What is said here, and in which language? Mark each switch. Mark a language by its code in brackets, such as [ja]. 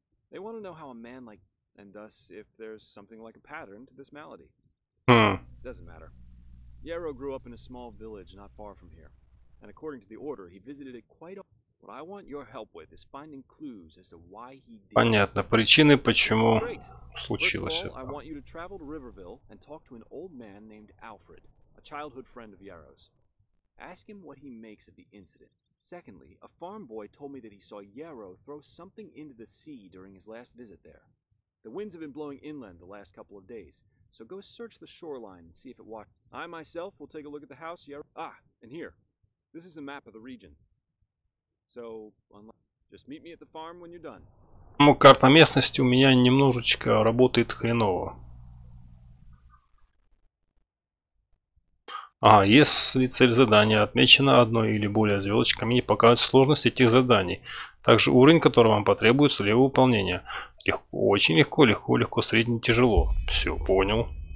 [en] They want to know how a man like... And thus, if there's something like a pattern to this malady. Hmm. Doesn't matter. Yarrow grew up in a small village not far from here. And according to the Order, he visited it quite often. What I want your help with is finding clues as to why he did... [ru] Понятно. Причины, почему случилось это. [en] First of all, I want you to travel to Riverville and talk to an old man named Alfred, a childhood friend of Yarrow's. Ask him what he makes of the incident. Secondly, a farm boy told me that he saw Yarrow throw something into the sea during his last visit there. The winds have been blowing inland the last couple of days, so go search the shoreline and see if it walks. I myself will take a look at the house Yarrow... Ah, and here. This is a map of the region. So, just meet me at the farm when you're done. [ru] Ну, карта местности у меня немножечко работает хреново. А, если цель задания отмечена одной или более звездочками, не показывает сложность этих заданий. Также уровень, который вам потребуется для выполнения. Легко, очень легко, легко, легко, средне, тяжело. Все, понял.